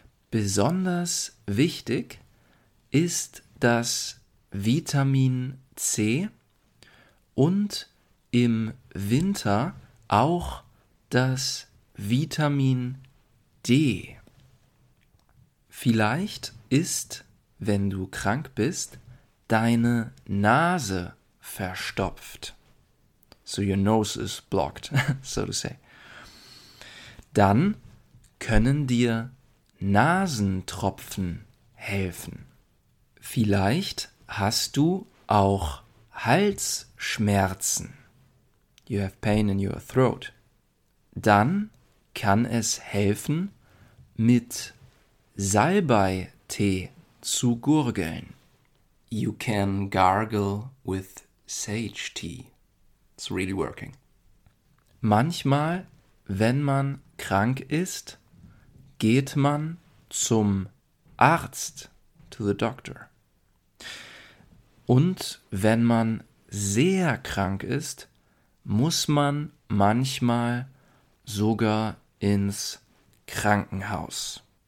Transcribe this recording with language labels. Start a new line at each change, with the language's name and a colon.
German: Besonders wichtig ist das Vitamin C und im Winter auch das Vitamin D. Vielleicht ist, wenn du krank bist, deine Nase verstopft.
English: So your nose is blocked, so to say.
German: Dann können dir Nasentropfen helfen. Vielleicht hast du auch Halsschmerzen.
English: You have pain in your throat.
German: Dann kann es helfen, mit Salbeitee zu gurgeln.
English: You can gargle with sage tea. It's really working.
German: Manchmal, wenn man krank ist, geht man zum Arzt,
English: to the doctor.
German: Und wenn man sehr krank ist, muss man manchmal sogar ins Krankenhaus.